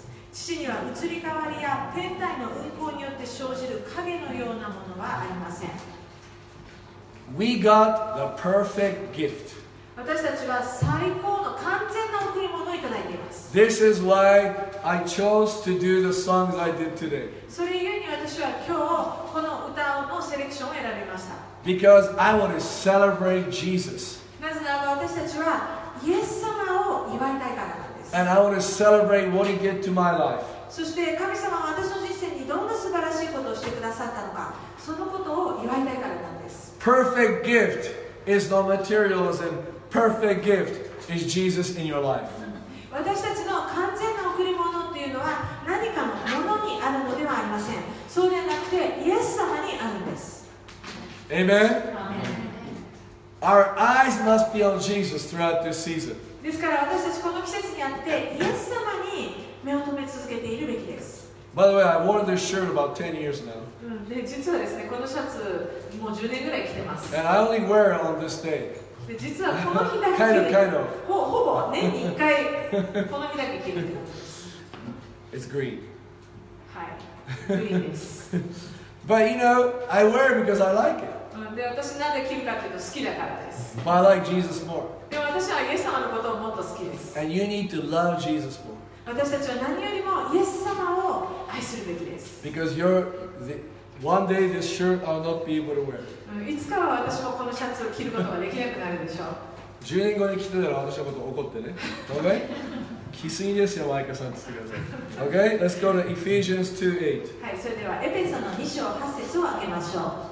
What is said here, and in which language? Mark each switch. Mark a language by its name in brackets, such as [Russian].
[Japanese] 父には移り変わりや天体の運行によって生じる影のようなものはありません。 [English] We got the perfect gift. [Japanese] 私たちは最高の完全な贈り物をいただいています。 [English] This is why I chose to do the songs I did today. [Japanese] それゆえに私は今日この歌のセレクションを選びました。 [English] Because I want to celebrate Jesus. [Japanese] なぜなら私たちはイエス様を祝いたいからなんです。 [English] And I want to celebrate what He did to my life. [Japanese] そして神様は私の人生にどんな素晴らしいことをしてくださったのか、そのことを祝いたいからなんです。 [English] Perfect gift is no materialism. Perfect gift is Jesus in your life. [Japanese] 私たちの完全な贈り物っていうのは何かのものにあるのではありません。そうではなくてイエス様にあるんです。 [English] Amen? Amen. Our eyes must be on Jesus throughout this season. [Japanese] ですから私たちこの季節にあってイエス様に目を留め続けているべきです。 [English] By the way, I wore this shirt about 10 years now. [Japanese] で、実はですね、このシャツもう10年ぐらい着てます。 [English] And I only wear it on this day. [Japanese] で、実はこの日だけ。 [English] kind of. [Japanese] ほぼ年に1回この日だけ着るんです。 [English] It's green. [Japanese] はい。green です。 [English] But you know, I wear it because I like it. [Japanese] で、私なんで着るかっていうと好きだからです。 [English] But I like Jesus more. [Japanese] でも私はイエス様のことをもっと好きです。 [English] And you need to love Jesus more. [Japanese] 私たちは何よりもイエス様を愛するべきです。 [English] Because you're the, one day this shirt I'll not be able to wear. [Japanese] いつかは私もこのシャツを着ることができなくなるでしょう。 10年後に着てたら私のこと怒ってね。 [English] OK? [Japanese] 着すぎですよ、マイカさんって言ってください。 [English] OK? Let's go to Ephesians 2:8. [Japanese] はい、それではエペソの2章8節を開けましょう。